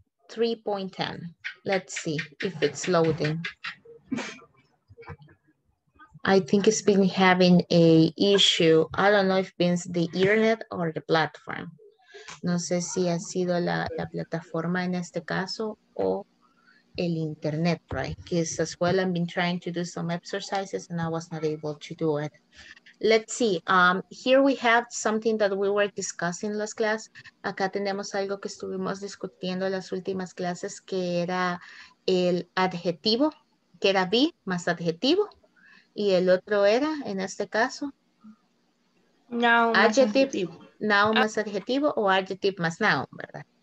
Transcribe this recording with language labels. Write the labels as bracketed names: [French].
[English] 3.10. Let's see if it's loading. I think it's been having a issue. I don't know if it's the internet or the platform. [Spanish] No sé si ha sido la plataforma en este caso o el internet, right? [English] Because as well, I've been trying to do some exercises and I was not able to do it. Let's see. Here we have something that we were discussing last class. [Spanish] Acá tenemos algo que estuvimos discutiendo en las últimas clases, que era el adjetivo, que era be más adjetivo. Y el otro era, en este caso, no, adjetivo. Noun más adjetivo o adjective más noun, ¿verdad?